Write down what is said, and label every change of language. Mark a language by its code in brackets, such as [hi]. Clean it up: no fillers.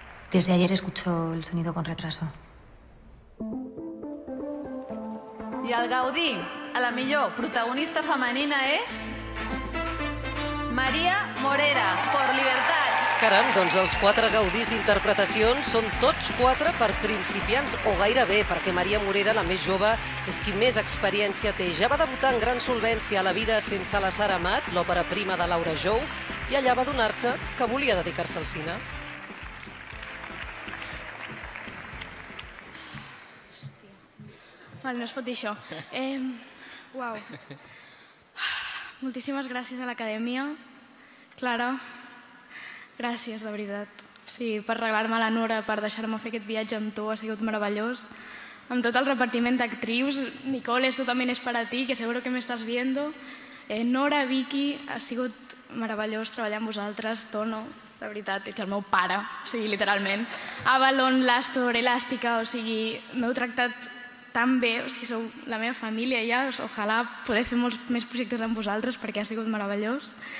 [es] Desde ayer escucho el sonido con retraso. [ca] I el Gaudí, a la millor protagonista femenina, és... [es] María Morera, por Libertad. [ca] Caram, doncs els quatre gaudís d'interpretacions són tots quatre per principiants, o gairebé, perquè María Morera, la més jove, és qui més experiència té. Ja va debutar amb gran solvència a La vida sense la Sara Amat, l'òpera prima de Laura Jou, i allà va adonar-se que volia dedicar-se al cine. Hòstia. Vale, no es pot dir això. Uau. Moltíssimes gràcies a l'Acadèmia, Clara. Gràcies, de veritat. Sí, per regalar-me la Nora, per deixar-me fer aquest viatge amb tu, ha sigut meravellós. Amb tot el repartiment d'actrius, [es] Nicole, esto también es para ti, que seguro que me estás viendo. [ca] Nora, Vicky, ha sigut meravellós treballar amb vosaltres. Tono, de veritat, ets el meu pare, o sigui, literalment. Avalon, Lastor, Elàstica, o sigui, m'heu tractat tan bé, o sigui, sou la meva família ja, ojalà poder fer molts més projectes amb vosaltres perquè ha sigut meravellós.